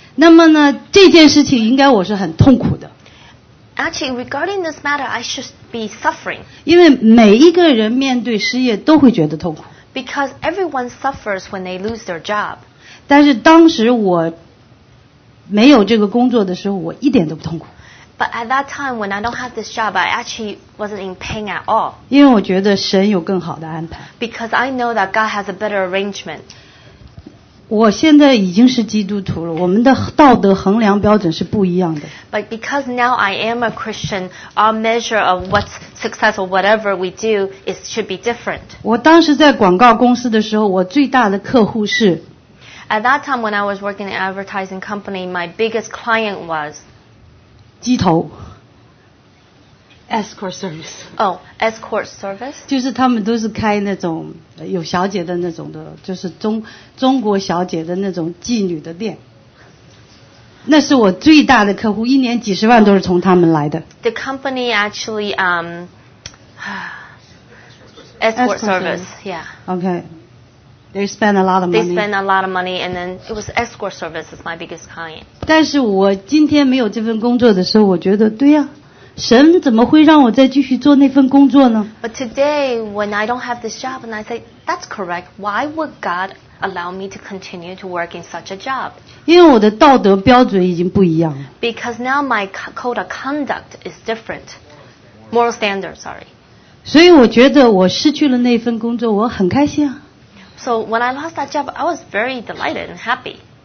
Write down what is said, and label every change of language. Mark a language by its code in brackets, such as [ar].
[zh] 那么呢这件事情应该我是很痛苦的。 [en] Actually regarding this matter I should be suffering. [zh] 因为每一个人面对失业都会觉得痛苦。 [en] Because everyone suffers when they lose their job. [zh] 但是当时我没有这个工作的时候我一点都不痛苦。 [en] But at that time when I don't have this job, I actually wasn't in pain at all. [zh] 因为我觉得神有更好的安排。 [en] Because I know that God has a better arrangement. [zh] 我现在已经是基督徒了，我们的道德衡量标准是不一样的。 [en] But because now I am a Christian, our measure of what's success or whatever we do is should be different. [zh] 我当时在广告公司的时候，我最大的客户是。 [en] At that time when I was working in an advertising company, my biggest client was. [zh] 机头 [en] escort service escort service [zh] 就是他们都是开那种有小姐的那种的就是中国小姐的那种妓女的店那是我最大的客户一年几十万都是从他们来的 [en] the company actually escort service yeah okay they spend a lot of money they spend a lot of money and then it was escort service is my biggest client [zh] 但是我今天没有这份工作的时候我觉得对呀、啊、神怎么会让我再继续做那份工作呢 [en] But today when I don't have this job and I say that's correct why would God allow me to continue to work in such a job [zh] 因为我的道德标准已经不一样了 [en] Because now my code of conduct is different moral standard sorry [zh] 所以我觉得我失去了那份工作我很开心啊 [en] So when I lost that job I was very delighted and happy